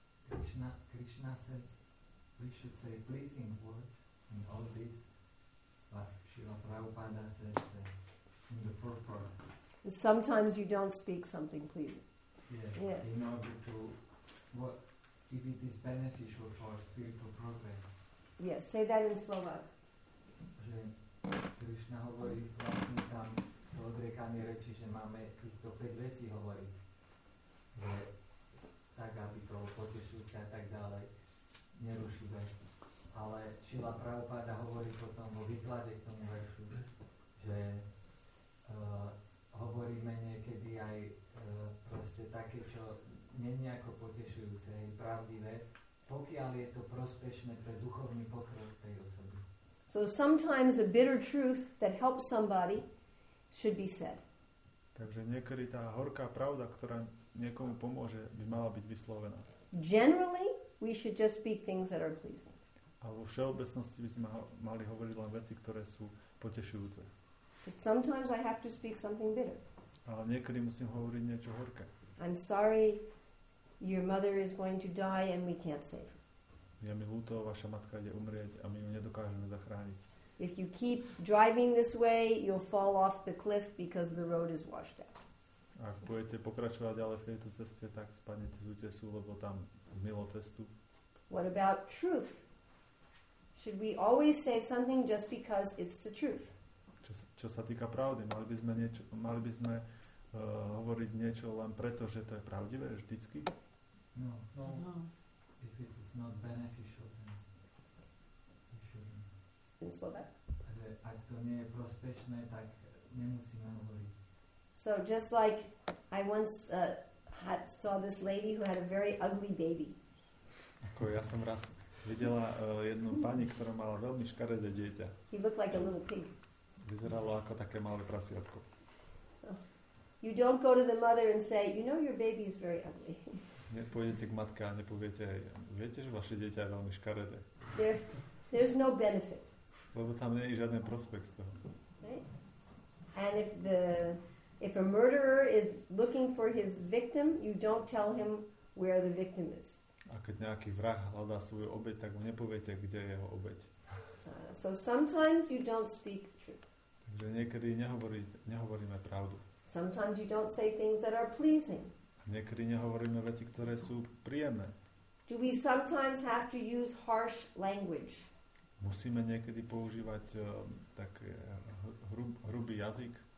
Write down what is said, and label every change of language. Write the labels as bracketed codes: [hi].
[en] Krishna says we should say pleasing words in all this, but Srila Prabhupada says that in the purport. Sometimes you don't speak something pleasing. Yes. In order to, what, if it is beneficial for spiritual progress. Yes, say that in Slovak. [sk] Že Krishna hovorí vlastne tam do odriekanej reči, že máme týchto 5 vecí hovoriť. Že tak, aby to potešujúce a tak ďalej, nerušivé. Ale Srila Prabhupada hovorí potom vo výklade k tomu veršu, že hovoríme niekedy aj proste také, čo není ako potešujúce, je pravdivé, pokiaľ je to prospešné pre duchovný pokrok tej osoby. [en] So sometimes a bitter truth that helps somebody should be said. [sk] Takže niekedy tá horká pravda, ktorá niekomu pomôže, by mala byť vyslovená. [en] Generally, we should just speak things that are pleasing. [sk] A vo všeobecnosti by sme mali hovoriť len veci, ktoré sú potešujúce. [en] But sometimes I have to speak something bitter. [sk] Ale niekedy musím hovoriť niečo horké. [en] I'm sorry, your mother is going to die and we can't save her. [sk] Ja mi ľúto, vaša matka ide umrieť a my ju nedokážeme zachrániť. [en] If you keep driving this way, you'll fall off the cliff because the road is washed out. [sk] Ak budete pokračovať ďalej v tejto ceste, tak spadnete z útesu, lebo tam zmylo cestu. [en] What about truth? Should we always say something just because it's the truth? [sk] Čo sa týka pravdy, mali by sme hovoriť niečo len preto, že to je pravdivé, vždycky? [en] No. If it is not beneficial, then we shouldn't. In Slovak? [sk] Ak to nie je prospešné, tak nemusíme hovoriť. [en] So just like I once saw this lady who had a very ugly baby. [sk] Ako ja som raz videla jednu pani, ktorá mala veľmi škaredé dieťa. [en] He looked like a little pig. [sk] Vyzeralo ako také malé prasiatko. [en] So you don't go to the mother and say, you know your baby is very ugly. [sk] Nepôjdete k matke a nepoviete, viete, že vaše dieťa je veľmi škaredé. [en] There's no benefit. [sk] Lebo tam nie je žiadny prospekt z toho. [en] Right? And if a murderer is looking for his victim, you don't tell him where the victim is. [sk] A keď nejaký vrah hľadá svoju obeť, tak mu nepoviete, kde je jeho obeť. [en] So sometimes you don't speak truth. [sk] Takže niekedy nehovoríme pravdu. [en] Sometimes you don't say things that are pleasing. [sk] Niekedy nehovoríme veci, ktoré sú príjemné. [en] Do we sometimes have to use harsh language? [sk] Musíme niekedy používať tak hrubý jazyk.